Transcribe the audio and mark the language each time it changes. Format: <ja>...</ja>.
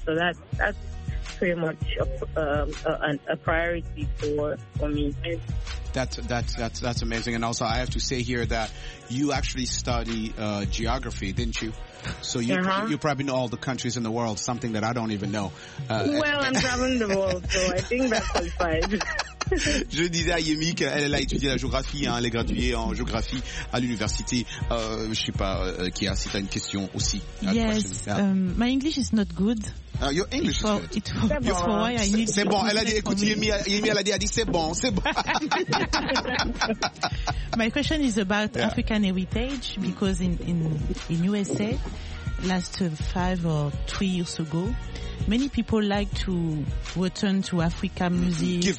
<en>So that's pretty much a priority for me. That's amazing. And also, I have to say here that you actually study geography, didn't you? So you you probably know all the countries in the world, something that I don't even know. Well, I'm traveling the world, so I think that qualifies.</en> <fr>Je disais à Yemi qu'elle a étudié la géographie, hein, elle est graduée en géographie à l'université. Je sais pas, Kia, si t'as une question aussi.</fr> <en>Yes, my English is not good. Your English is good.</en> <fr>C'est bon, elle a dit, écoute, Yemi, elle a dit, c'est bon.</fr> <en>My question is about African heritage, because in USA, last 5 or 3 years ago, many people like to return to Africa music.</en>